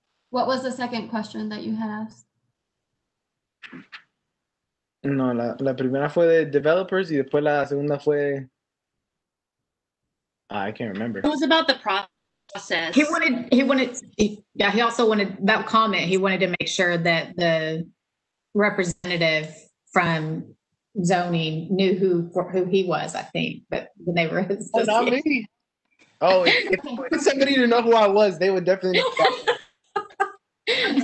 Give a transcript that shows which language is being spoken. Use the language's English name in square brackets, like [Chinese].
[English] What was the second question that you had asked? [Spanish] No, la primera fue de developers y después la segunda fue, [English] I can't remember. It was about the process. He also wanted that comment. He wanted to make sure that the representative from zoning knew who he was, I think, but when they were his. Oh, not me. Oh, if somebody didn't know who I was, they would definitely know that.